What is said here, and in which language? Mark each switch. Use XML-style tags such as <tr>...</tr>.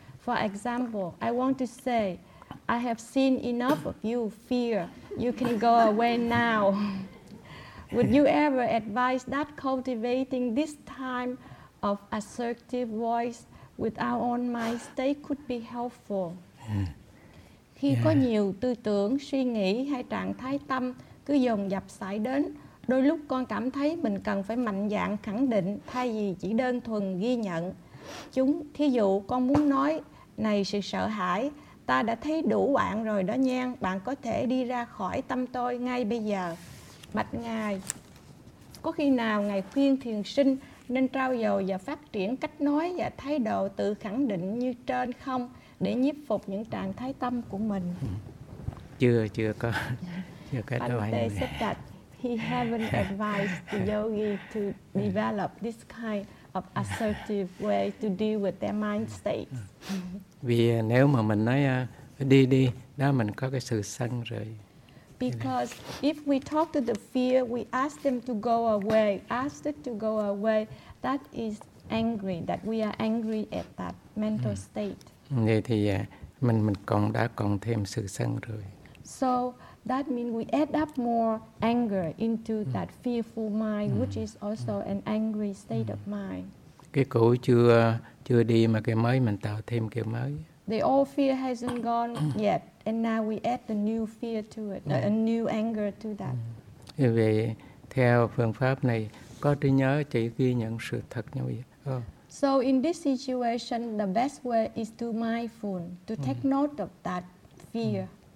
<en>For example, I want to say, I have seen enough of you, fear, you can go away now. Would you ever advise that cultivating this time of assertive voice with our own mind state could be helpful?</en> <vi>Khi có nhiều tư tưởng, suy nghĩ hay trạng thái tâm cứ dồn dập xảy đến, đôi lúc con cảm thấy mình cần phải mạnh dạn khẳng định thay vì chỉ đơn thuần ghi nhận chúng. Thí dụ con muốn nói, này sự sợ hãi, ta đã thấy đủ bạn rồi đó nha, bạn có thể đi ra khỏi tâm tôi ngay bây giờ. Bạch Ngài, có khi nào Ngài khuyên thiền sinh nên trau dồi và phát triển cách nói và thái độ tự khẳng định như trên không, để nhiếp phục những trạng thái tâm của mình? Chưa có đâu anh.</vi> <en>Bhante said that he haven't advised the yogi to develop this kind of assertive way to deal with their mind state.</en> <vi>Vì nếu mà mình nói đi, đó mình có cái sự sân rồi.</vi> <en>Because if we talk to the fear, we ask them to go away, that is angry, that we are angry at that mental state.</en> <vi>Vậy thì mình còn đã còn thêm sự sân rồi.</vi> <en>So that means we add up more anger into that fearful mind, which is also an angry state of mind.</en> <vi>Cái cũ chưa đi mà cái mới mình tạo thêm cái mới.</vi> <en>The old fear hasn't gone yet, and now we add the new fear to it, a new anger to that.</en> <vi>Vậy theo phương pháp này, có trí nhớ chỉ ghi nhận sự thật như vậy.</vi> <en>So in this situation, the best way is to mindful, to take note of that fear.</en>